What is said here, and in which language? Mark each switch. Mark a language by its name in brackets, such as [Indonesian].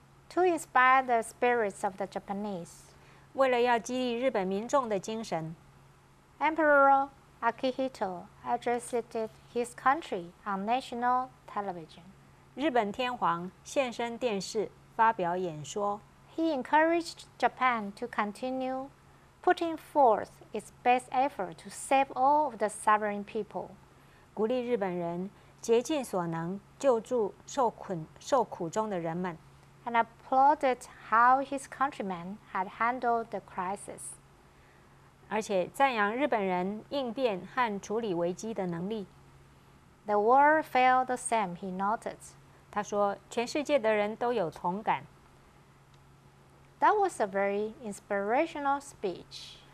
[English] To inspire the spirits of the Japanese, [Chinese] 为了要激励日本民众的精神 [English] ，Emperor Akihito addressed his country on national television. [Chinese] 日本天皇现身电视发表演说。 [English] He encouraged Japan to continue putting forth its best effort to save all of the suffering people. [Chinese] 鼓励日本人竭尽所能救助受苦中的人们。 [English] And applauded how his countrymen had handled the crisis. [Chinese] 而且赞扬日本人应变和处理危机的能力。 [English] The world felt the same, he noted. [Chinese] 他说，全世界的人都有同感。 [English] That was a very inspirational speech.